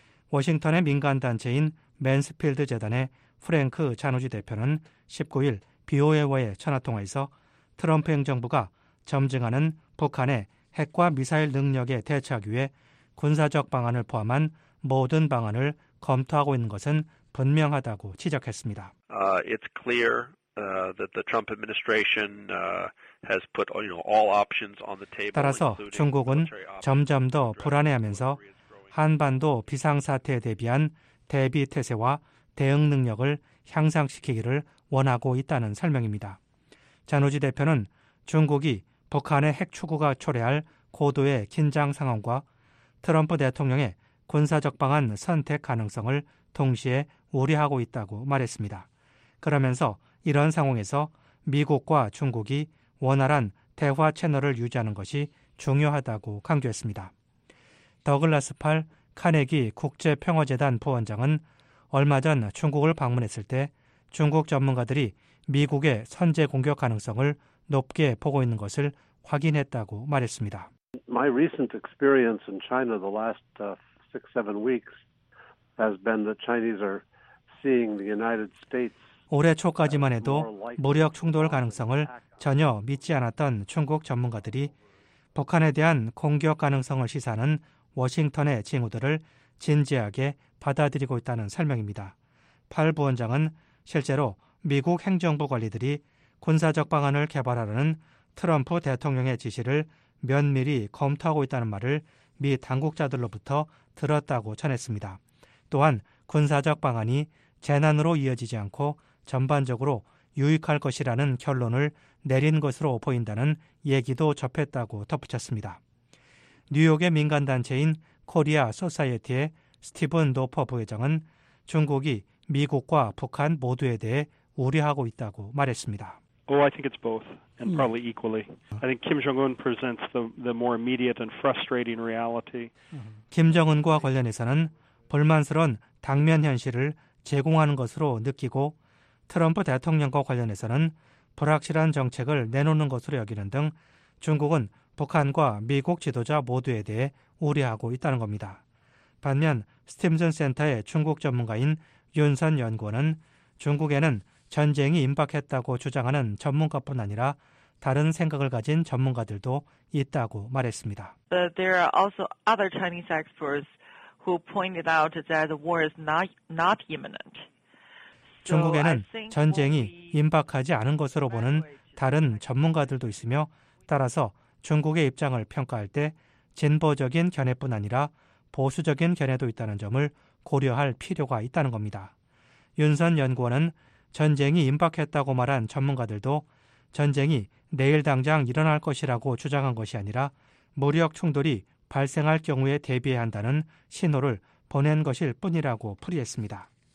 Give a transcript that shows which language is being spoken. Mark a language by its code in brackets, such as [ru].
[ko] 워싱턴의 민간단체인 맨스필드 재단의 프랭크 자누지 대표는 19일 BOA와의 전화통화에서 트럼프 행정부가 점증하는 북한의 핵과 미사일 능력에 대처하기 위해 군사적 방안을 포함한 모든 방안을 검토하고 있는 것은 분명하다고 지적했습니다. [en] It's clear that the Trump administration has put all options on the table. [ko] 따라서 중국은 점점 더 불안해하면서 한반도 비상사태에 대비한 대비태세와 대응 능력을 향상시키기를 원하고 있다는 설명입니다. 자누지 대표는 중국이 북한의 핵 추구가 초래할 고도의 긴장 상황과 트럼프 대통령의 군사적 방안 선택 가능성을 동시에 우려하고 있다고 말했습니다. 그러면서 이런 상황에서 미국과 중국이 원활한 대화 채널을 유지하는 것이 중요하다고 강조했습니다. 더글라스 팔 카네기 국제평화재단 부원장은 얼마 전 중국을 방문했을 때 중국 전문가들이 미국의 선제 공격 가능성을 높게 보고 있는 것을 확인했다고 말했습니다. [en] My recent experience in China the last 6-7 weeks has been that Chinese are seeing the United States [ko] 올해 초까지만 해도 무력 충돌 가능성을 전혀 믿지 않았던 중국 전문가들이 북한에 대한 공격 가능성을 시사하는 워싱턴의 징후들을 진지하게 받아들이고 있다는 설명입니다. 팔 부원장은 실제로 미국 행정부 관리들이 군사적 방안을 개발하라는 트럼프 대통령의 지시를 면밀히 검토하고 있다는 말을 미 당국자들로부터 들었다고 전했습니다. 또한 군사적 방안이 재난으로 이어지지 않고 전반적으로 유익할 것이라는 결론을 내린 것으로 보인다는 얘기도 접했다고 덧붙였습니다. 뉴욕의 민간단체인 코리아 소사이어티의 스티븐 노퍼 부회장은 중국이 미국과 북한 모두에 대해 우려하고 있다고 말했습니다. [en] Oh, I think it's both and probably equally. I think Kim Jong-un presents the more immediate and frustrating reality. [ko] 김정은과 관련해서는 불만스러운 당면 현실을 제공하는 것으로 느끼고 트럼프 대통령과 관련해서는 불확실한 정책을 내놓는 것으로 여기는 등 중국은 북한과 미국 지도자 모두에 대해 우려하고 있다는 겁니다. 반면 스팀슨 센터의 중국 전문가인 윤선 연구원은 중국에는 전쟁이 임박했다고 주장하는 전문가뿐 아니라 다른 생각을 가진 전문가들도 있다고 말했습니다. [en] But there are also other Chinese experts who pointed out that the war is not imminent. [ko] 중국에는 전쟁이 임박하지 않은 것으로 보는 다른 전문가들도 있으며 따라서 중국의 입장을 평가할 때 진보적인 견해뿐 아니라 보수적인 견해도 있다는 점을 고려할 필요가 있다는 겁니다. 윤선 연구원은 전쟁이 임박했다고 말한 전문가들도 전쟁이 내일 당장 일어날 것이라고 주장한 것이 아니라 무력 충돌이 발생할 경우에 대비해야 한다는 신호를 보낸 것일 뿐이라고 풀이했습니다.